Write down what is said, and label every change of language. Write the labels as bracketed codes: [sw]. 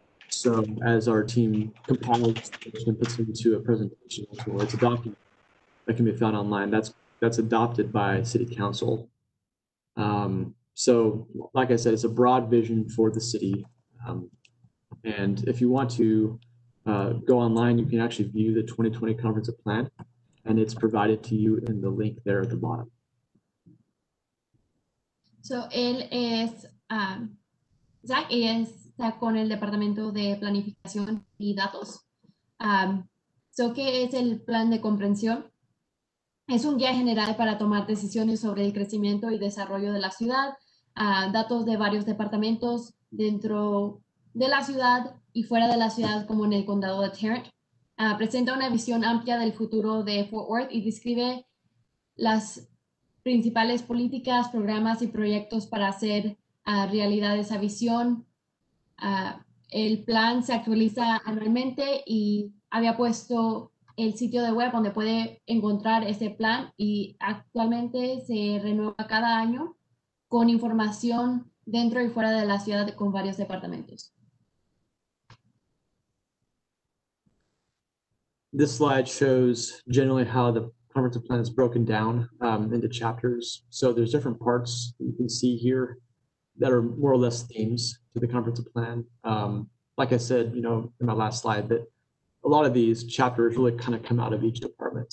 [en] So as our team compiles and puts into a presentation, or it's a document that can be found online, that's adopted by city council. So like I said, it's a broad vision for the city. And if you want to go online, you can actually view the 2020 comprehensive plan, and it's provided to you in the link there at the bottom. [es] So él es, Zach, y está con el Departamento de Planificación y Datos. So ¿qué es el plan de comprensión? Es un guía general para tomar decisiones sobre el crecimiento y desarrollo de la ciudad, datos de varios departamentos dentro de la ciudad y fuera de la ciudad, como en el condado de Tarrant. Presenta una visión amplia del futuro de Fort Worth y describe las principales políticas, programas y proyectos para hacer realidad esa visión. El plan se actualiza anualmente y había puesto el sitio de web donde puede encontrar ese plan, y actualmente se renueva cada año con información dentro y fuera de la ciudad con varios departamentos. [en] This slide shows generally how the comprehensive plan is broken down into chapters. So there's different parts that you can see here that are more or less themes to the comprehensive plan. Like I said, you know, in my last slide, that a lot of these chapters really kind of come out of each department.